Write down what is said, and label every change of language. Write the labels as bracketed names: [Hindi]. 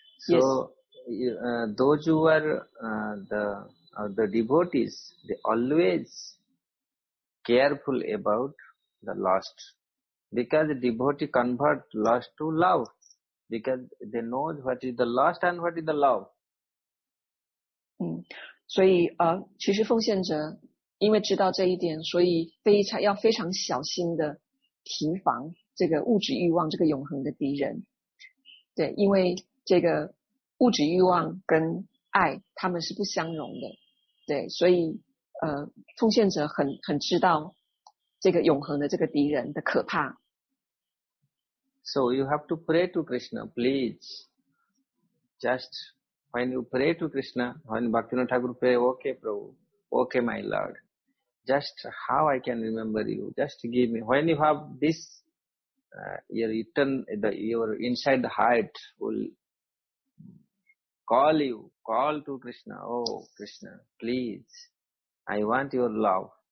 [English] So, those who are the devotees, they always careful about the lust, because the devotee convert lust to love, because they know what is the lust and what is the love. [Chinese] 所以其实奉献者因为知道这一点，所以非常要非常小心的提防这个物质欲望，这个永恒的敌人。对，因为这个物质欲望跟爱他们是不相容的。对，所以奉献者很知道这个永恒的这个敌人的可怕。 [English] So you have to pray to Krishna, please. Just when you pray to Krishna, when Bhaktivinoda Thakur pray, okay, Prabhu, okay, my Lord, just how I can remember you, just give me. When you have this, your inside heart will call you, call to Krishna, oh Krishna, please, I want your love.